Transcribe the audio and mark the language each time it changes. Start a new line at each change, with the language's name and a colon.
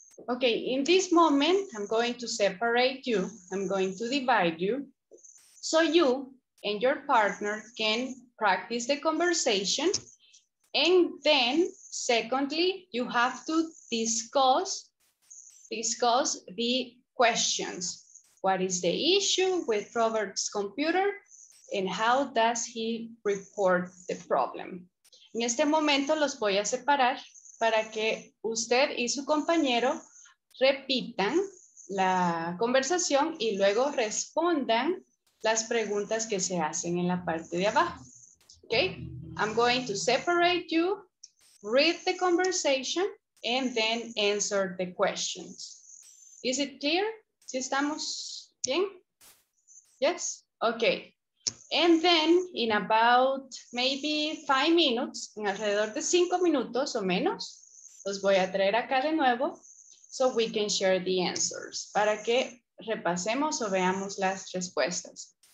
English: Okay, in this moment, I'm going to separate you. I'm going to divide you so you and your partner can practice the conversation. And then, secondly, you have to discuss the questions. What is the issue with Robert's computer and how does he report the problem?
Spanish: En este momento los voy a separar para que usted y su compañero repitan la conversación y luego respondan las preguntas que se hacen en la parte de abajo.
English: Okay? I'm going to separate you, read the conversation, and then answer the questions. Is it clear?
Spanish: ¿Sí estamos bien?
English: Yes? Okay. And then in about maybe 5 minutes,
Spanish: en alrededor de 5 minutos o menos, los voy a traer acá de nuevo
English: so we can share the answers,
Spanish: para que repasemos o veamos las respuestas.